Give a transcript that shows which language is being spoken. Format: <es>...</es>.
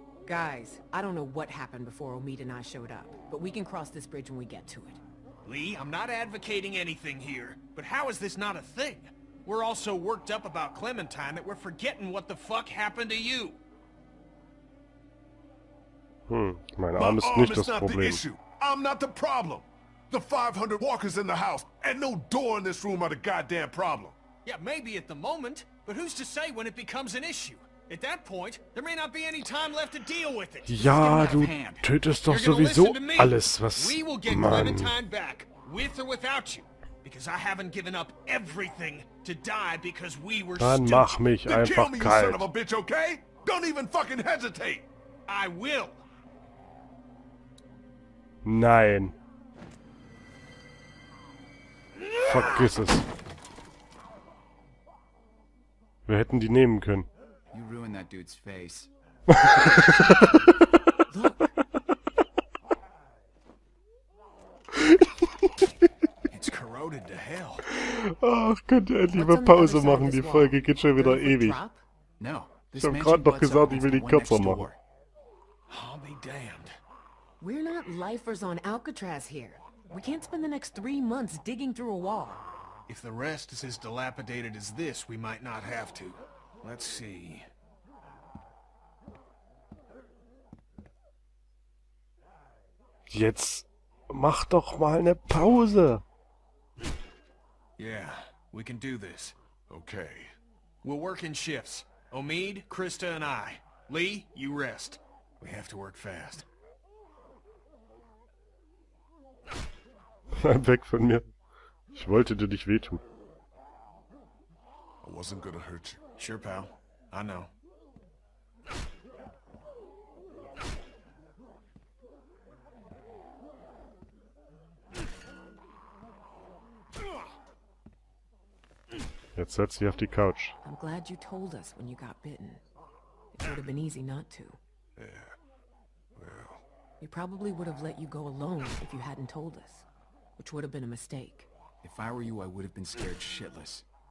<en>Guys, I don't know what happened before Omid and I showed up, but we can cross this bridge when we get to it. Lee, I'm not advocating anything here, but how is this not a thing? We're all so worked up about Clementine that we're forgetting what the fuck happened to you.</en> <de>Mein Arm ist nicht das Problem.</de> <en>The issue. I'm not the problem. The 500 walkers in the house and no door in this room are the goddamn problem. Yeah, maybe at the moment, but who's to say when it becomes an issue? At that point, there may not be any time left to deal with it.</en> <de>Ja, du tötest doch sowieso alles, was man.</de> <en>We will get Clementine back, with or without you, because I haven't given up everything to die because we were stupid.</en> <de>Dann mach mich einfach kalt.</de> <en>Kill me, you son of a bitch, okay? Don't even fucking hesitate. I will.</en> <de>Nein. Vergiss es. Wir hätten die nehmen können.</de> <en>You ruined that dude's face. It's corroded to hell.</en> <de>Ach, könnt ihr endlich mal Pause machen? Die Folge geht schon wieder ewig. Ich hab gerade noch gesagt, ich will die kürzer machen.</de> <en>I'll be damned. We're not lifers on Alcatraz here. We can't spend the next 3 months digging through a wall. If the rest is as dilapidated as this, we might not have to. Let's see.</en> <de>Jetzt mach doch mal eine Pause.</de> <en>Yeah, we can do this. Okay. We'll work in shifts. Omid, Krista, and I. Lee, you rest. We have to work fast.</en> <de>Bleib weg von mir. Ich wollte dir nicht wehtun.</de> <en>I wasn't gonna hurt you. Sure, pal. I know.</en> <de>Jetzt setz dich auf die Couch.</de> <en>I'm glad you told us when you got bitten. It would have been easy not to. Yeah. Well. We probably would have let you go alone if you hadn't told us. Which would have been a mistake. If I were you, I would have been scared shitless.</en>